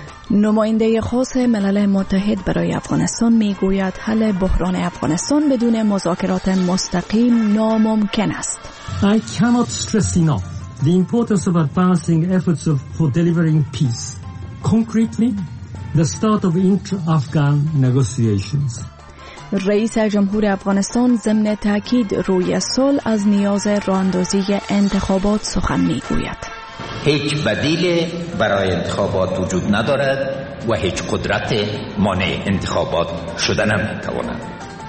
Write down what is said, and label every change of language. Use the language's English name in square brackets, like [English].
[Persian] نماینده خاص ملل متحد برای افغانستان می گوید حل بحران افغانستان بدون مذاکرات مستقیم ناممکن است. [English] I cannot stress enough the importance of advancing efforts for delivering peace, concretely, the start of inter-Afghan negotiations. [Persian] رئیس جمهور افغانستان ضمن تأکید روی صلح از نیاز راه‌اندازی انتخابات سخن می‌گوید. هیچ بدیل برای انتخابات وجود ندارد و هیچ قدرت مانع انتخابات شده نمی‌تواند.